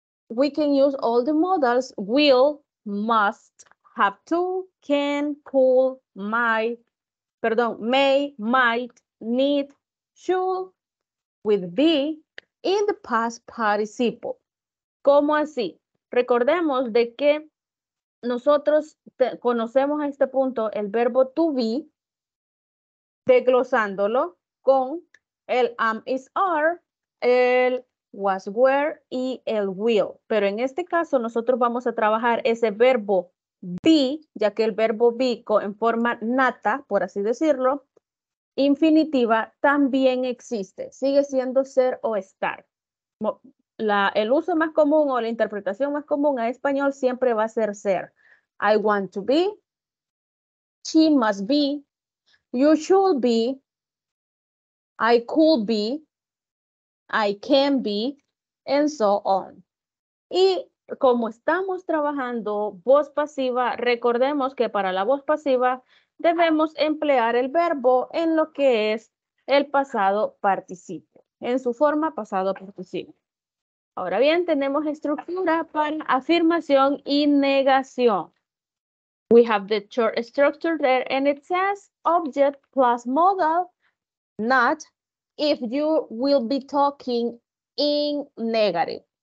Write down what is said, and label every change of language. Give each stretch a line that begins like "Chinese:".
English: We can use all the modals will, must, have to, can, could, may, might, need, should, with be in the past participle.
Spanish: ¿Cómo así? Recordemos de que nosotros conocemos a este punto el verbo to be desglosándolo con el am, is, are, el was, were y el will. Pero en este caso nosotros vamos a trabajar ese verbo be, ya que el verbo be en forma nata, por así decirlo, infinitiva también existe, sigue siendo ser o estar. El uso más común o la interpretación más común a español siempre va a ser ser.
English: I want to be, she must be, you should be, I could be, I can be, and so on.
Spanish: Y como estamos trabajando voz pasiva, recordemos que para la voz pasiva debemos emplear el verbo en lo que es el pasado participio, en su forma pasado participio. Ahora bien, tenemos estructura para afirmación y negación.
English: We have the short structure there and it says object plus modal, not if you will be talking in negative.